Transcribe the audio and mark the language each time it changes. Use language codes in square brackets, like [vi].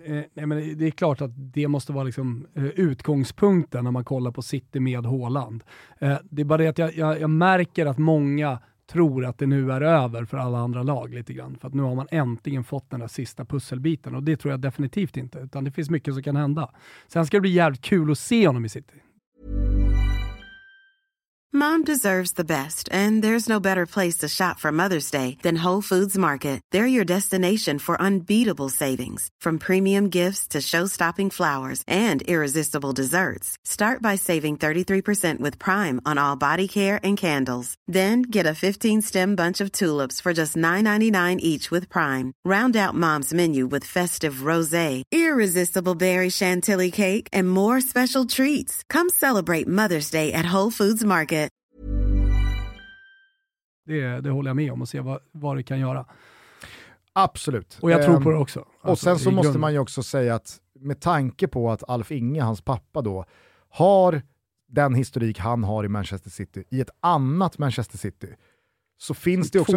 [sv] Nej, men det är klart att det måste vara liksom utgångspunkten när man kollar på City med Haaland. Det är bara det att jag märker att många tror att det nu är över för alla andra lag lite grann. För att nu har man äntligen fått den där sista pusselbiten. Och det tror jag definitivt inte. Utan det finns mycket som kan hända. Sen ska det bli jävligt kul att se honom i City. [en] Mom deserves the best, and there's no better place to shop for Mother's Day than Whole Foods Market. They're your destination for unbeatable savings, from premium gifts to show-stopping flowers and irresistible desserts. Start by saving 33% with Prime on all body care and candles. Then get a 15-stem bunch of tulips for just $9.99 each with Prime. Round out Mom's menu with festive rosé, irresistible berry chantilly cake, and more special treats. Come celebrate Mother's Day at Whole Foods Market. [sv] Det håller jag med om och se vad det kan göra. Absolut. Och jag tror på det också. Alltså, och sen så måste man ju också säga att med tanke på att Alf Inge, hans pappa då, har den historik han har i Manchester City, i ett annat Manchester City, så finns det också